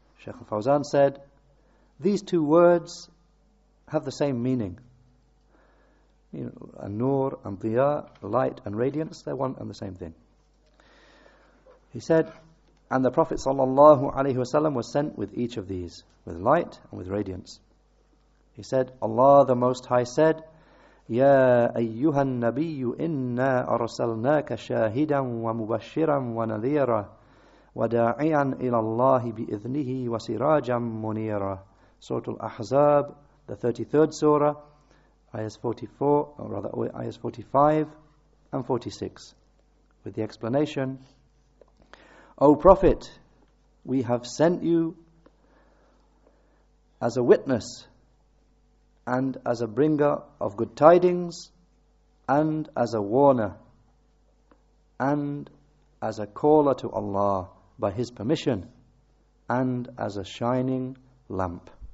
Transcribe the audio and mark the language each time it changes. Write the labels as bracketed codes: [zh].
[en] Shaykh al-Fawzan said, these two words have the same meaning. You know, an-nur and dhiya, light and radiance, they're one and the same thing. He said, and the Prophet sallallahu alayhi wasallam was sent with each of these, with light and with radiance. He said, Allah the Most High said, [ar] يا أيها النبي إنا أرسلناك شاهدا ومبشرا ونذيرا وداعيا إلى الله بإذنه وسراجا منيرا. [en] Surah Al-Ahzab, the 33rd surah, ayahs 45 and 46, with the explanation, O Prophet, we have sent you as a witness and as a bringer of good tidings, and as a warner, and as a caller to Allah by His permission, and as a shining lamp.